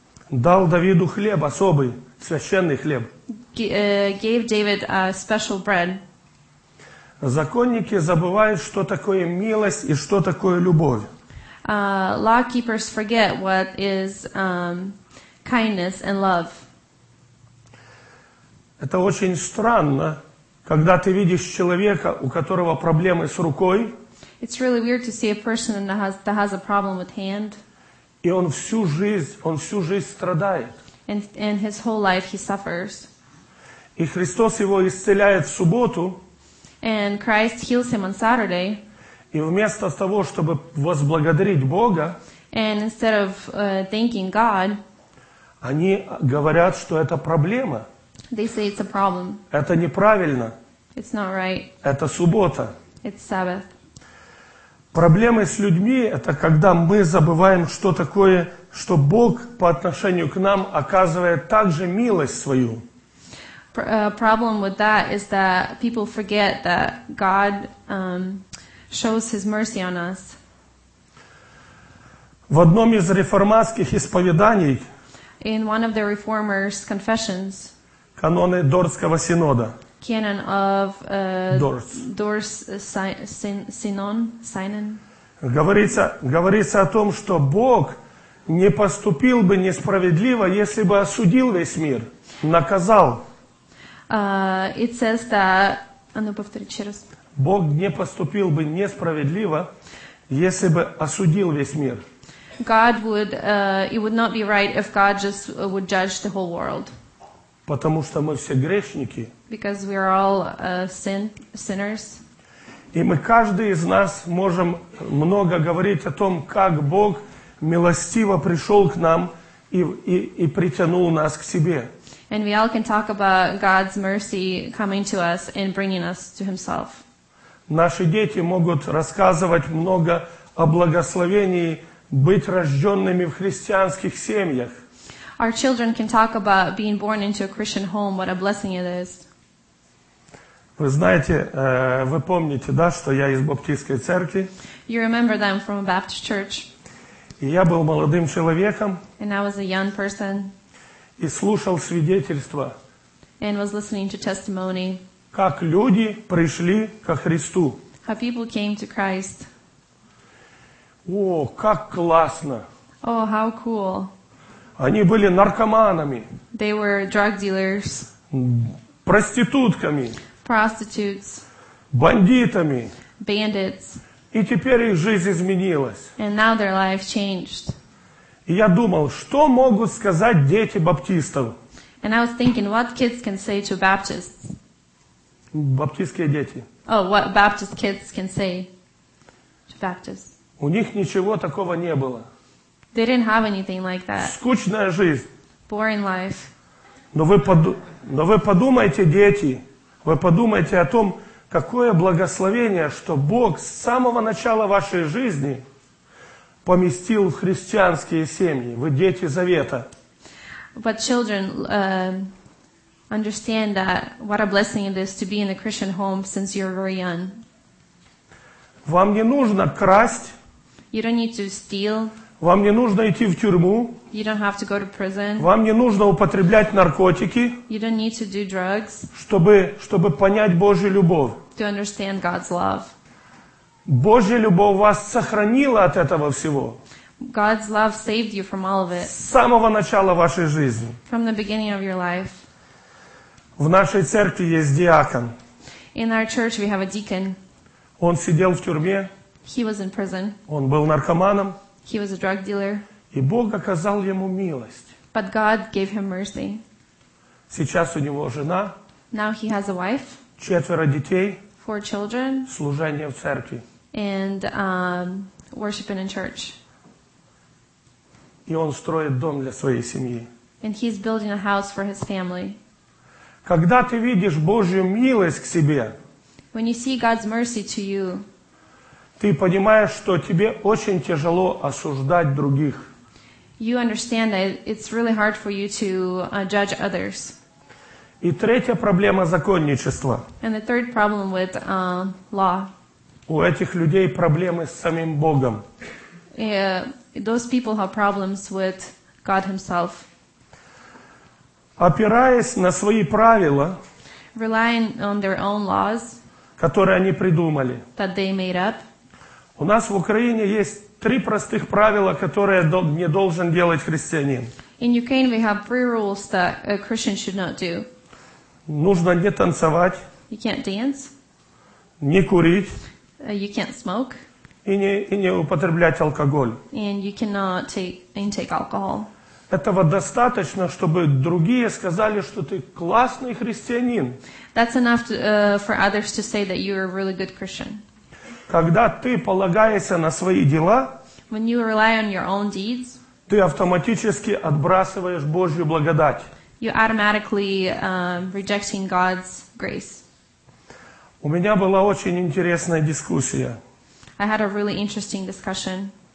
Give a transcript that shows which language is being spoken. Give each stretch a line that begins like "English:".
Russian: Дал Давиду хлеб особый, священный хлеб.
English: Gave David a special bread.
Russian: Законники забывают, что такое милость и что такое любовь.
English: Lawkeepers forget what is kindness and love.
Russian: Это очень странно, когда ты видишь человека, у которого проблемы с рукой.
English: It's really weird to see a person that has a problem with hand.
Russian: И он всю жизнь страдает.
English: And his whole life he suffers.
Russian: И Христос его исцеляет в субботу.
English: And Christ heals him on Saturday.
Russian: И вместо того, чтобы возблагодарить Бога,
English: and instead of thanking God,
Russian: они говорят, что это проблема.
English: They say it's a problem.
Russian: Это неправильно.
English: It's not right.
Russian: Это суббота.
English: It's Sabbath.
Russian: Проблемы с людьми – это когда мы забываем, что такое, что Бог по отношению к нам оказывает также милость свою.
English: Problem with that is that people forget that God shows his mercy on us.
Russian: В одном из реформатских исповеданий,
English: in one of the reformers' confessions,
Russian: каноны Дорского синода,
English: canon of
Russian: Dors Sinon, говорится о том, что Бог не поступил бы несправедливо, если бы осудил весь мир, наказал.
English: It says that,
Russian: повторите еще раз. Бог не поступил бы несправедливо, если бы осудил весь мир.
English: God would, it would not be right if God just would judge the whole world.
Russian: Потому что мы все грешники.
English: Because we are all sinners.
Russian: И мы каждый из нас можем много говорить о том, как Бог милостиво пришел к нам и притянул нас к себе.
English: And we all can talk about God's mercy coming to us and bringing us to Himself.
Russian: Наши дети могут рассказывать много о благословении быть рожденными в христианских семьях.
English: Our children can talk about being born into a Christian home, what a blessing it is.
Russian: Вы знаете, вы помните, да, что я из Баптистской церкви?
English: You remember that I'm from a Baptist church.
Russian: И я был молодым человеком.
English: And I was a young person.
Russian: И слушал свидетельства.
English: And was listening to testimony.
Russian: Как люди пришли ко Христу.
English: How people came to Christ.
Russian: О, как классно.
English: Oh, how cool.
Russian: Они были наркоманами.
English: They were drug dealers.
Russian: Проститутками.
English: Prostitutes.
Russian: Бандитами.
English: Bandits.
Russian: И теперь их жизнь изменилась.
English: And now their life changed.
Russian: И я думал, что могут сказать дети баптистов?
English: And I was thinking, what kids can say to Baptists?
Russian: Баптистские дети.
English: Oh, what Baptist kids can say to Baptists?
Russian: У них ничего такого не было.
English: They didn't have anything like that.
Russian: Скучная жизнь.
English: Boring life.
Russian: Но вы подумайте, дети, вы подумайте о том, какое благословение, что Бог с самого начала вашей жизни поместил в христианские семьи. Вы дети Завета.
English: But children, understand that what a blessing it is to be in a Christian home since you're very young.
Russian: Вам не нужно красть.
English: You don't need to steal.
Russian: Вам не нужно идти в тюрьму.
English: You don't have to go to prison.
Russian: Вам не нужно употреблять наркотики.
English: You don't need to do drugs.
Russian: Чтобы понять Божью любовь.
English: To understand God's love.
Russian: Божья любовь вас сохранила от этого всего.
English: God's love saved you from all of it.
Russian: С самого начала вашей жизни.
English: From the beginning of your life.
Russian: В нашей церкви есть диакон.
English: In our church we have a deacon.
Russian: Он сидел в тюрьме.
English: He was in prison.
Russian: Он был наркоманом.
English: He was a drug dealer.
Russian: И Бог оказал ему милость.
English: But God gave him mercy.
Russian: Сейчас у него жена.
English: Now he has a wife.
Russian: Четверо детей.
English: Four children.
Russian: Служение в церкви.
English: And worshiping in church.
Russian: И он строит дом для своей семьи.
English: And he's building a house for his family.
Russian: Когда ты видишь Божью милость к себе,
English: when you see God's mercy to you,
Russian: ты понимаешь, что тебе очень тяжело осуждать других.
English: You understand that it's really hard for you to judge others.
Russian: И третья проблема законничества.
English: And the third problem with law.
Russian: У этих людей проблемы с самим Богом.
English: Those people have problems with God himself.
Russian: Опираясь на свои правила,
English: relying on their own laws,
Russian: которые они придумали,
English: that they made up.
Russian: У нас в Украине есть три простых правила, которые не должен делать христианин.
English: In Ukraine we have three rules that a Christian should not do.
Russian: Нужно не танцевать.
English: You can't dance.
Russian: Не курить.
English: You can't smoke.
Russian: И не употреблять алкоголь.
English: And you cannot intake alcohol.
Russian: Этого достаточно, чтобы другие сказали, что ты классный христианин.
English: That's enough for others to say that you're a really good Christian.
Russian: Когда ты полагаешься на свои дела,
English: when you rely on your own deeds,
Russian: ты автоматически отбрасываешь Божью благодать.
English: You're automatically rejecting God's grace.
Russian: У меня была очень интересная дискуссия.
English: I had a really interesting discussion.